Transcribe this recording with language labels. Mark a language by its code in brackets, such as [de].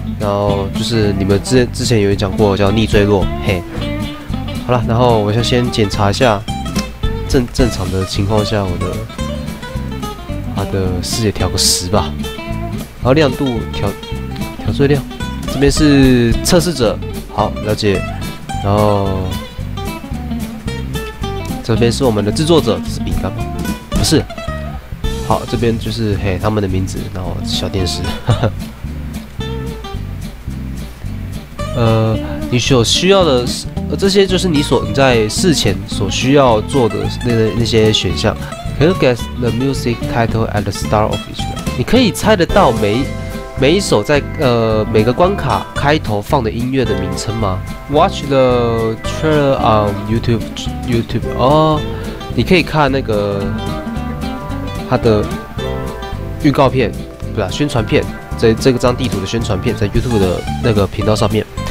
[zh] 然后就是你们之前有人讲过叫逆坠落，嘿，好了，然后我就先检查一下正常的情况下我的它的视野调个10吧，然后亮度调最亮，这边是测试者，好，了解，然后这边是我们的制作者，这是饼干吗？不是，好，这边就是嘿他们的名字，然后小电视。你所需要的这些就是你在事前所需要做的那些选项。 [en] Can you guess the music title at the start of each level？ [zh] 你可以猜得到每一首在每个关卡开头放的音乐的名称吗 ？ [en] Watch the trailer on YouTube [zh] 哦，你可以看那个它的预告片，不是宣传片，在这个张地图的宣传片在 YouTube 的那个频道上面。